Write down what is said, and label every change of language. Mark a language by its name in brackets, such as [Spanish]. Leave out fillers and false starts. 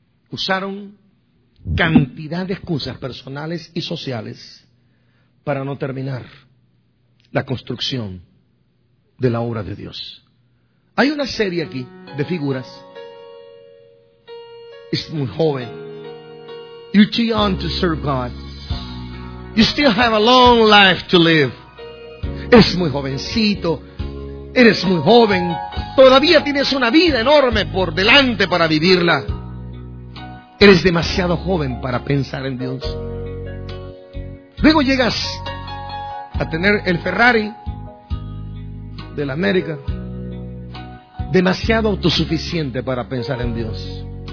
[Spanish] Usaron cantidad de excusas personales y sociales para no terminar la construcción de la obra de Dios. Hay una serie aquí de figuras. Es muy joven. [English] You're too young to serve God. You still have a long life to live. [Spanish] Es muy jovencito. Eres muy joven. Todavía tienes una vida enorme por delante para vivirla. Eres demasiado joven para pensar en Dios. Luego llegas a tener el Ferrari de la América, demasiado autosuficiente para pensar en Dios.